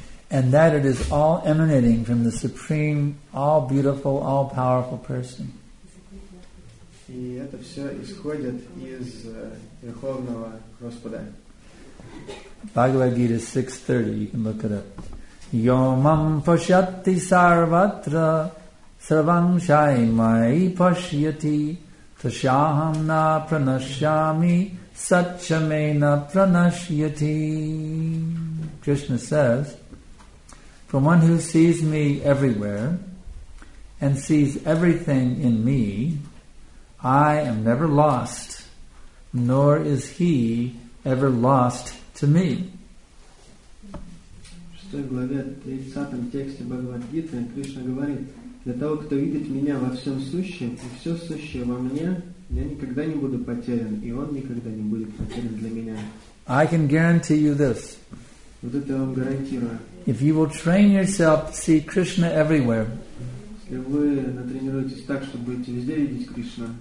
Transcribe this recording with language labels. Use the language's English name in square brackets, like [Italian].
[English] And that it is all emanating from the Supreme, all-beautiful, all-powerful person. [Russian] И это все исходит из Верховного Господа. [English] Bhagavad-gita 6.30, you can look it up. [Sanskrit] Yomam pashyati sarvatra sarvam shai mai pashyati tashaham na pranashyami satchamena pranashyati. [English] Krishna says, from one who sees me everywhere and sees everything in me, I am never lost, nor is he ever lost to me. [Russian] В 6 главе, 30 тексте Бхагавад-гиты Кришна говорит, для того, кто видит меня во всем сущем, и все сущее во мне, я никогда не буду потерян, и он никогда не будет потерян для меня. [English] I can guarantee you this. [Russian] Вот это я вам гарантирую. [English] If you will train yourself to see Krishna everywhere, [Russian] если вы натренируетесь так, чтобы будете везде видеть Кришну,